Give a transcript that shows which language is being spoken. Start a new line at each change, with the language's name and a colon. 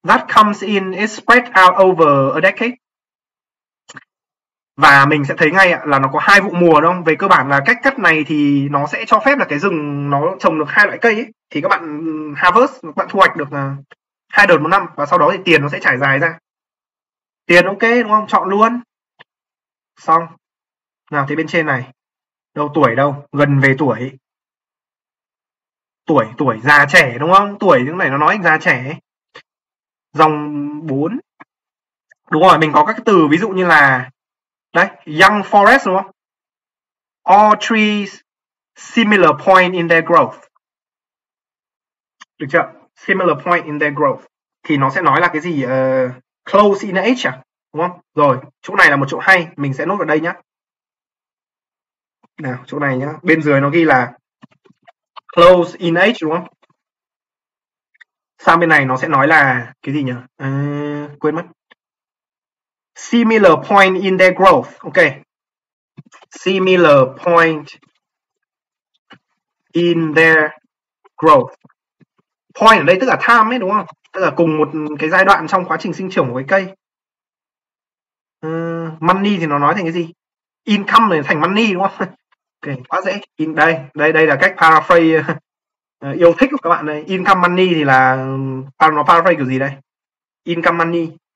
English: That comes in, is spread out over a decade.
Vietnamese: Và mình sẽ thấy ngay là nó có hai vụ mùa đúng không? Về cơ bản là cách cắt này thì nó sẽ cho phép là cái rừng nó trồng được hai loại cây ấy. Thì các bạn harvest, các bạn thu hoạch được hai đợt một năm và sau đó thì tiền nó sẽ trải dài ra. Tiền ok đúng không? Chọn luôn. Xong. Nào thì bên trên này. Đâu tuổi đâu? Gần về tuổi. Tuổi, tuổi già trẻ đúng không? Tuổi những này nó nói già trẻ ấy. Dòng 4. Đúng rồi, mình có các từ ví dụ như là đấy,
English: young forest
Vietnamese: đúng không?
English: All trees similar point in their growth.
Vietnamese: Được chưa?
English: Similar point in their growth.
Vietnamese: Thì nó sẽ nói là cái gì?
English: Close in age
Vietnamese: à? Đúng không? Rồi, chỗ này là một chỗ hay. Mình sẽ nốt ở đây nhé. Nào, chỗ này nhé. Bên dưới nó ghi là
English: close in age
Vietnamese: đúng không? Sang bên này nó sẽ nói là cái gì nhỉ? Quên mất.
English: Similar point in their growth. Ok. Similar point in their growth.
Vietnamese: Point ở đây tức là time ấy đúng không? Tức là cùng một cái giai đoạn trong quá trình sinh trưởng của cái cây. Money thì nó nói thành cái gì? Income này thành money đúng không? Ok, quá dễ. In đây, đây đây là cách paraphrase yêu thích của các bạn này. Income money thì là nó paraphrase kiểu gì đây? Income money.